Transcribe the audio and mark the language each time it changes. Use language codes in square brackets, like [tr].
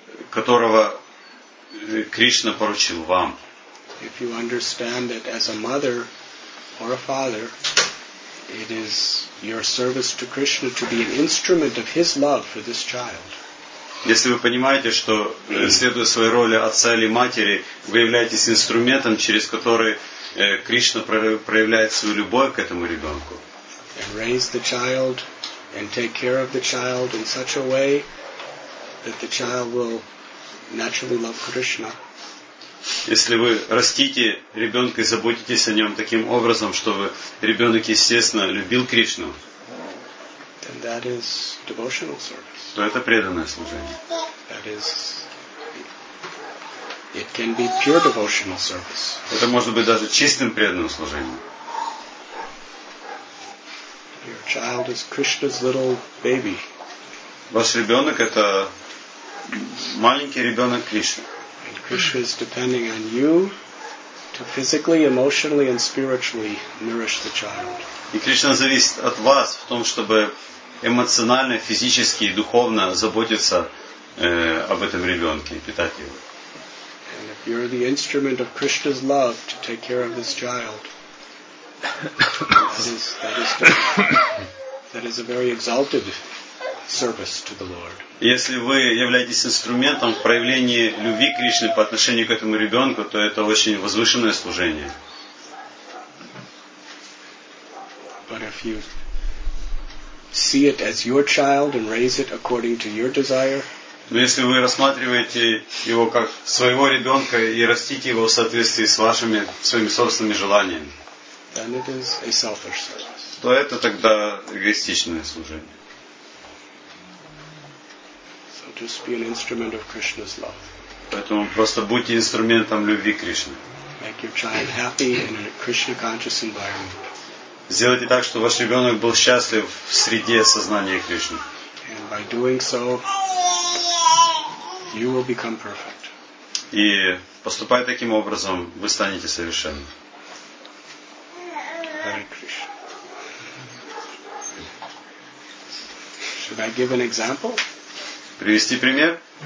[ru] которого Кришна поручил вам, [en] if you understand that as a mother or a father, it is your service to Krishna to be an instrument of His love for this child. [ru] Если вы понимаете, что следуя своей роли отца или матери, вы являетесь инструментом, через который Кришна проявляет свою любовь к этому ребенку. [en] And raise the child and take care of the child in such a way that the child will naturally love Krishna. [ru] Если вы растите ребенка и заботитесь о нем таким образом, чтобы ребенок естественно любил Кришну, [en] then that is devotional service. [ru] То это преданное служение. [en] That is, it can be pure devotional service. [ru] Это может быть даже чистым преданным служением. [en] Your child is Krishna's little baby. [ru] Ваш ребенок это маленький ребенок Кришны. [en] And Krishna is depending on you to physically, emotionally, and spiritually nourish the child. [ru] И Кришна зависит от вас в том, чтобы эмоционально, физически и духовно заботиться об этом ребенке и питать его. [en] And if you're the instrument of Krishna's love to take care of this child, that is a very exalted service to the Lord. [ru] Если вы являетесь инструментом в проявлении любви Кришны по отношению к этому ребенку, то это очень возвышенное служение. [en] But if you see it as your child and raise it according to your desire, [ru] но если вы рассматриваете его как своего ребенка и растите его в соответствии с вашими своими собственными желаниями, [en] then it is a selfish service. [ru] То это тогда эгоистичное служение. [en] So just be an instrument of Krishna's love. [ru] Поэтому просто будьте инструментом любви Кришны. [en] Make your child happy in a Krishna-conscious environment. [ru] Сделайте так, чтобы ваш ребенок был счастлив в среде сознания Кришны. [en] And by doing so, you will become perfect. [ru] И поступая таким образом, вы станете совершенным. [en] Hare Krishna. Should I give an example? [ru] Привести пример?